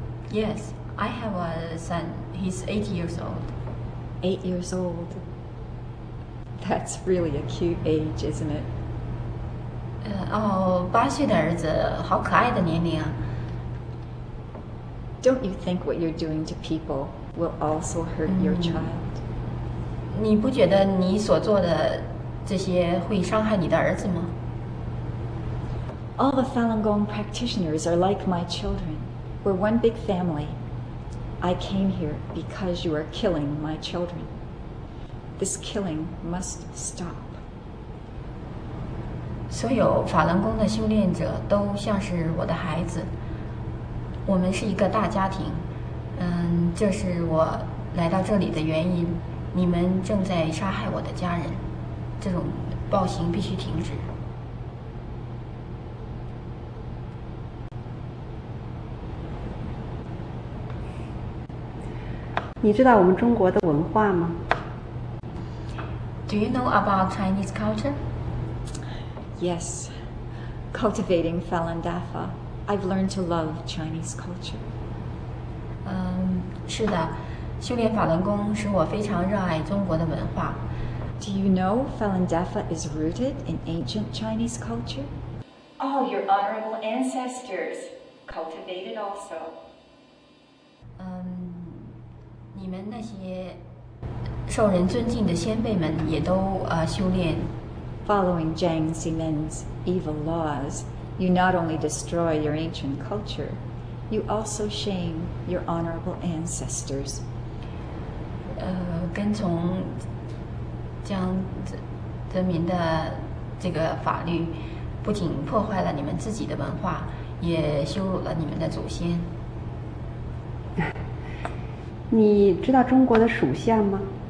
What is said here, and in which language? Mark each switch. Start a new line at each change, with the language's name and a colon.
English: Yes, I have a son. He's 8 years old. 8 years old. That's really a cute age, isn't it?
Chinese: 八岁的儿子，好可爱的年龄啊。
English: Don't you think what you're doing to people will also hurt your child?
Chinese: 你不觉得你所做的这些会伤害你的儿子吗？
English: All the Falun Gong practitioners are like my children. We're one big family. I came here because you are killing my children. This killing must stop.
Chinese: 所有法轮功的修炼者都像是我的孩子。我们是一个大家庭，这是我来到这里的原因。你们正在杀害我的家人，这种暴行必须停止。你知道我们中国的文化吗？
English: Do you know about Chinese culture? Yes. Cultivating Falun Dafa, I've learned to love Chinese culture.
Chinese: 是的，修炼法轮功使我非常热爱中国的文化。
English: Do you know Falun Dafa is rooted in ancient Chinese culture? All your honorable ancestors cultivated also.
Chinese: 你们那些受人尊敬的先辈们也都修炼。
English: Following Jiang Zemin's evil laws, you not only destroy your ancient culture, you also shame your honorable ancestors.
Chinese: 跟从江泽民的这个法律，不仅破坏了你们自己的文化，也羞辱了你们的祖先。你知道中国的属相吗？